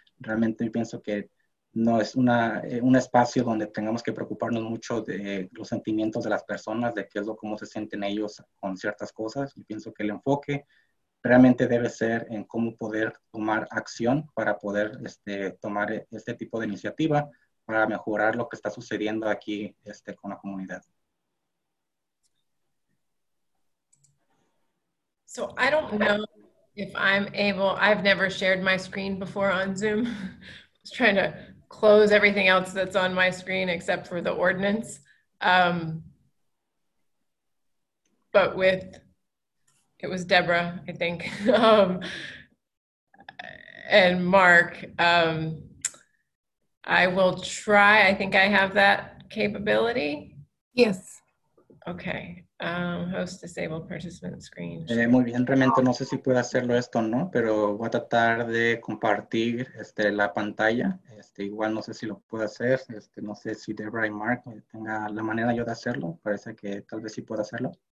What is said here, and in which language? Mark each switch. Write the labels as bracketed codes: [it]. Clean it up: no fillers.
[es] Realmente yo pienso que no es un espacio donde tengamos que preocuparnos mucho de los sentimientos de las personas, de qué es lo cómo se sienten ellos con ciertas cosas. Yo pienso que el enfoque realmente debe ser en cómo poder tomar acción para poder tomar este tipo de iniciativa para mejorar lo que está sucediendo aquí con la comunidad. [en] So I don't know if I'm able, I've never shared my screen before on Zoom. I was trying to close everything else that's on my screen except for the ordinance. But with, it was Deborah, I think, and Mark, I will try, I think I have that capability. Yes. Okay. Host disabled participant screen. [es] Muy bien, realmente no sé si puedo hacerlo esto o no, pero voy a tratar de compartir la pantalla. Igual no sé si lo puedo hacer. No sé si Deborah y Mark tenga la manera yo de hacerlo. Parece que tal vez sí pueda hacerlo.